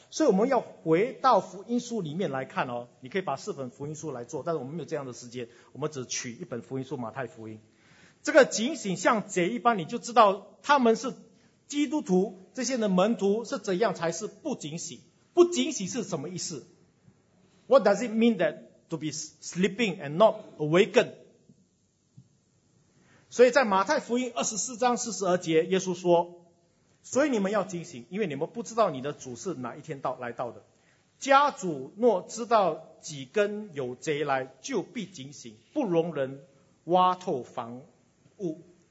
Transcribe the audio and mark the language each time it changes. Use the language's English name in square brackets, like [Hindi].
[Chinese] 所以我们要回到福音书里面来看哦，你可以把四本福音书来做，但是我们没有这样的时间，我们只取一本福音书马太福音。这个警醒像贼一般，你就知道他们是基督徒，这些的门徒是怎样才是不警醒。不警醒是什么意思？ [English] What does it mean thatto be sleeping and not awakened。 [Chinese] 所以在马太福音24章42节，耶稣说，所以你们要警醒，因为你们不知道你的主是哪一天来到的。家主若知道几更有贼来，就必警醒，不容人挖透房屋。